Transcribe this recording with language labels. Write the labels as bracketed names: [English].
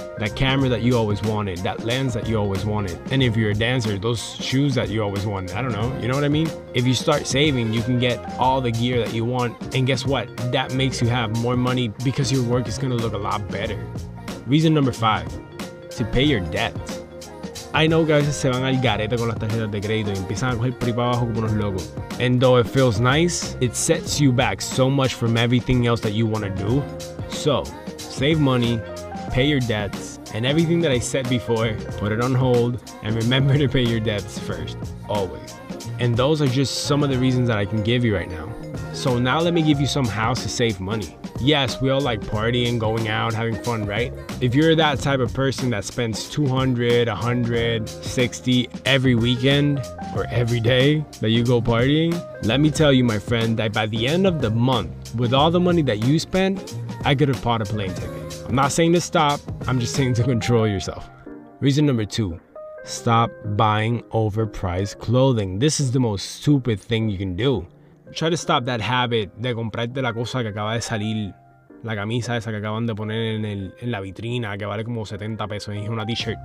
[English] That camera that you always wanted, that lens that you always wanted. And if you're a dancer, those shoes that you always wanted. I don't know. You know what I mean? If you start saving, you can get all the gear that you want. And guess what? That makes you have more money because your work is going to look a lot better. Reason number five. To pay your debts. I know [Spanish] que a veces se van al garete con las tarjetas de crédito y empiezan a coger por ahí para abajo como unos locos. [English] And though it feels nice, it sets you back so much from everything else that you want to do. So, save money, pay your debts, and everything that I said before, put it on hold, and remember to pay your debts first, always. And those are just some of the reasons that I can give you right now. So now let me give you some hows to save money. Yes, we all like partying, going out, having fun, right? If you're that type of person that spends $200, $100, $60 every weekend or every day that you go partying, let me tell you, my friend, that by the end of the month, with all the money that you spent, I could have bought a plane ticket. I'm not saying to stop, I'm just saying to control yourself. Reason number two, stop buying overpriced clothing. This is the most stupid thing you can do. Try to stop that habit [Spanish] de comprarte la cosa que acaba de salir, la camisa esa que acaban de poner en la vitrina, que vale como 70 pesos, y una t-shirt.